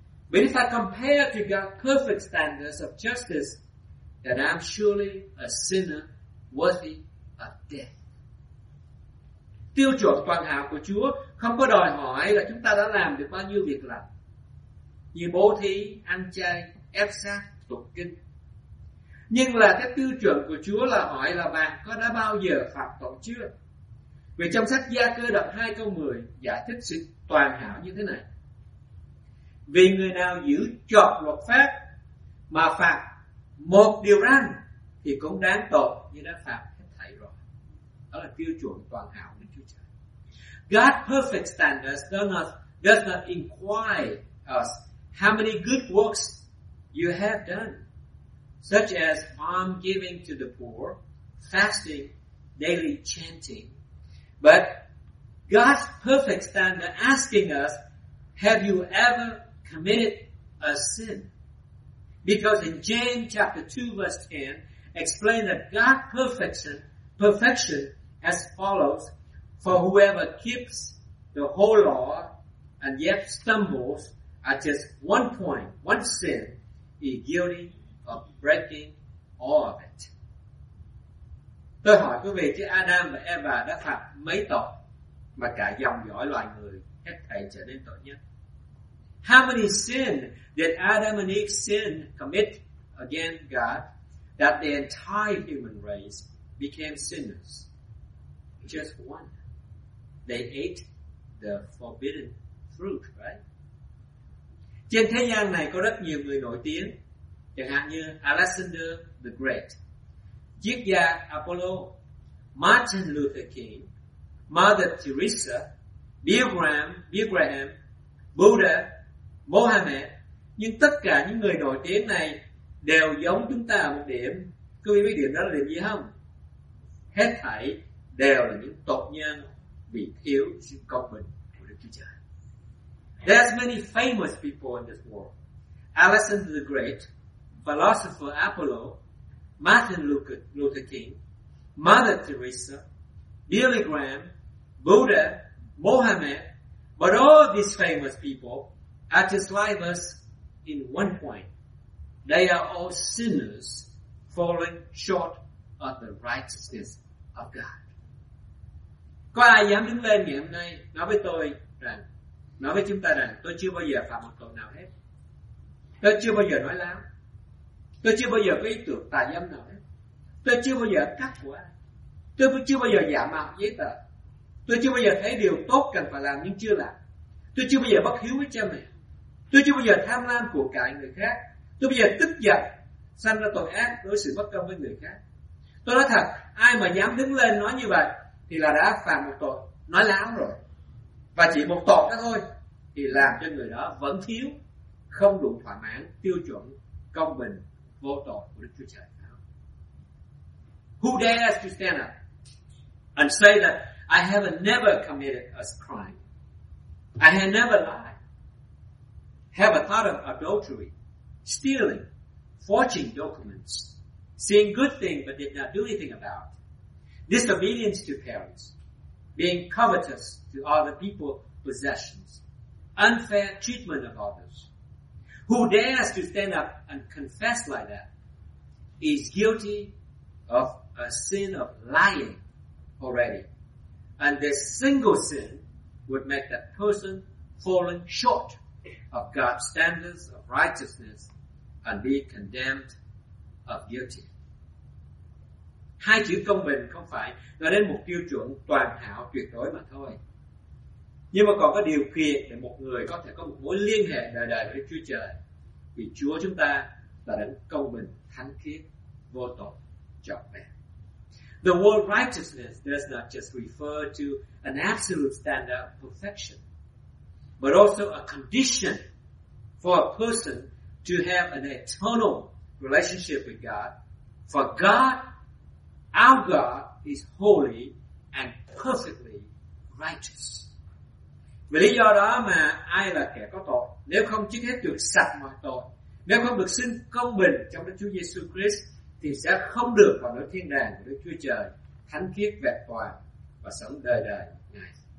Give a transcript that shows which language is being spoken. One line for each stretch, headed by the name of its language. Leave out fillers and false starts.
English: But if I compare to God's perfect standards of justice, then I'm surely a sinner worthy of death.
Vietnamese: Tiêu chuẩn toàn hảo của Chúa không có đòi hỏi là chúng ta đã làm được bao nhiêu việc lành, như bố thí, ăn chay, ép xác, tụng kinh. Nhưng là cái tiêu chuẩn của Chúa là hỏi là bạn có đã bao giờ phạm tội chưa? Vì trong sách Gia Cơ đoạn 2 câu 10 giải thích sự toàn hảo như thế này. Vì người nào giữ trọn luật pháp mà phạm một điều răn thì cũng đáng tội như đã phạm hết thảy rồi. Đó là tiêu chuẩn toàn hảo của Chúa Trời.
English: God's perfect standards does not inquire us how many good works you have done, such as almsgiving to the poor, fasting, daily chanting, but God's perfect standard asking us, have you ever committed a sin? Because in James chapter 2 verse 10 explain that God's perfection as follows: for whoever keeps the whole law and yet stumbles at just one point, one sin, he is guilty of breaking all of it.
Vietnamese: Tôi hỏi quý vị, chứ Adam và Eva đã phạm mấy tội mà cả dòng dõi loài người hết thảy trở nên tội nhân?
English: How many sins did Adam and Eve sin commit against God that the entire human race became sinners? Just one. They ate the forbidden fruit, right?
Vietnamese: Trên thế gian này có rất nhiều người nổi tiếng, chẳng hạn như Alexander the Great, triết gia Apollo, Martin Luther King, Mother Teresa, Bill Graham, Buddha, Mohammed. Nhưng tất cả những người nổi tiếng này đều giống chúng ta một điểm. Các quý vị biết điểm đó là điểm gì không? Hết thảy đều là những tội nhân vì thiếu sự công bình của Đức Chúa Trời.
English: There's many famous people in this world. Alexander the Great, philosopher Apollo, Martin Luther King, Mother Teresa, Billy Graham, Buddha, Mohammed, but all these famous people are just like us in one point. They are all sinners falling short of the righteousness of God.
Vietnamese: Có ai dám đứng lên ngày hôm nay nói với tôi rằng, nói với chúng ta rằng tôi chưa bao giờ phạm một tội nào hết. Tôi chưa bao giờ nói láo. Tôi chưa bao giờ có ý tưởng tà dâm nào hết. Tôi chưa bao giờ cắt của ai. Tôi chưa bao giờ giả mạo giấy tờ. Tôi chưa bao giờ thấy điều tốt cần phải làm nhưng chưa làm. Tôi chưa bao giờ bất hiếu với cha mẹ. Tôi chưa bao giờ tham lam của cải người khác. Tôi bao giờ tức giận, sanh ra tội ác, đối xử bất công với người khác. Tôi nói thật, ai mà dám đứng lên nói như vậy thì là đã phạm một tội, nói láo rồi. Và chỉ một tội đó thôi thì làm cho người đó vẫn thiếu, không đủ thỏa mãn tiêu chuẩn công bình vô tội của Đức Chúa Trời.
English: Who dares to stand up and say that I have never committed a crime? I have never lied, have a thought of adultery, stealing, forging documents, seeing good things but did not do anything about, disobedience to parents, being covetous to other people's possessions, unfair treatment of others. Who dares to stand up and confess like that is guilty of a sin of lying already. And this single sin would make that person falling short of God's standards of righteousness and be condemned of guilty.
Vietnamese: Hai chữ công bình không phải nói đến một tiêu chuẩn toàn hảo tuyệt đối mà thôi. Nhưng mà còn có điều kiện để một người có thể có một mối liên hệ đời đời với Chúa Trời. Vì Chúa chúng ta là đấng công bình, thánh khiết, vô tội, trọn vẹn.
English: The word righteousness does not just refer to an absolute standard of perfection, but also a condition for a person to have an eternal relationship with God. For God, our God, is holy and perfectly righteous.
Vietnamese: Vì lý do đó mà ai là kẻ có tội, nếu không trước hết được sạch mọi tội, nếu không được xin công bình trong Đức Chúa Giêsu Christ, thì sẽ không được vào nơi thiên đàng của Đức Chúa Trời, thánh khiết vẹn toàn và sống đời đời Ngài.